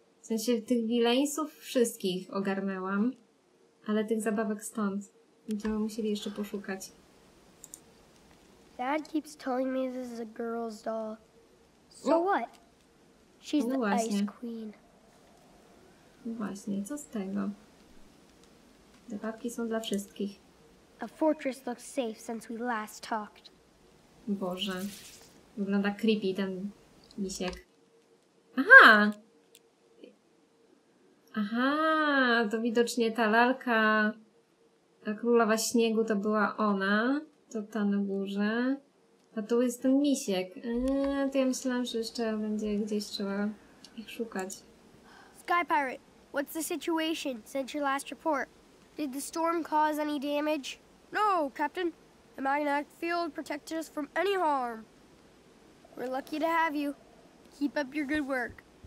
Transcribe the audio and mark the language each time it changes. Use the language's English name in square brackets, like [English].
[Polish] W sensie tych wileńców wszystkich ogarnęłam, ale tych zabawek stąd. Będziemy musieli jeszcze poszukać. [English] Dad keeps telling me this is a girl's doll. So what? She's the ice queen. [Polish] Właśnie, co z tego? Zabawki są dla wszystkich. [English] A fortress looks safe since we last talked. [Polish] Boże. Wygląda creepy ten misiek. Aha! Aha, to widocznie ta lalka. A królowa śniegu to była ona, to ta na górze, a tu jest ten misiek. To ja myślałam, że jeszcze będzie gdzieś trzeba ich szukać. [English] Sky Pirate, what's the situation since your last report? Did the storm cause any damage? No, Captain. The magnetic field protected us from any harm. We're lucky to have you. Keep up your good work.